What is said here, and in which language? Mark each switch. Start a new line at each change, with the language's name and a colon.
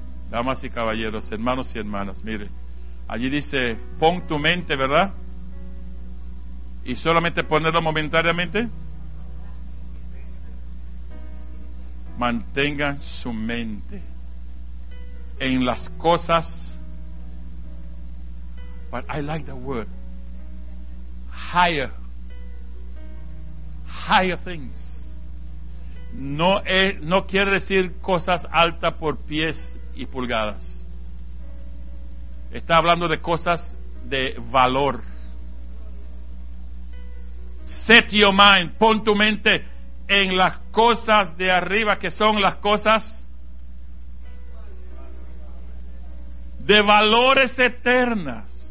Spanish: Damas y caballeros, hermanos y hermanas, mire, allí dice, pon tu mente, ¿verdad? Y solamente ponerlo momentáneamente. Mantengan su mente en las cosas.
English: But I like the word higher things.
Spanish: No quiere decir cosas altas por pies y pulgadas. Está hablando de cosas de valor.
English: Set your mind,
Spanish: pon tu mente en las cosas de arriba, que son las cosas de valores eternas.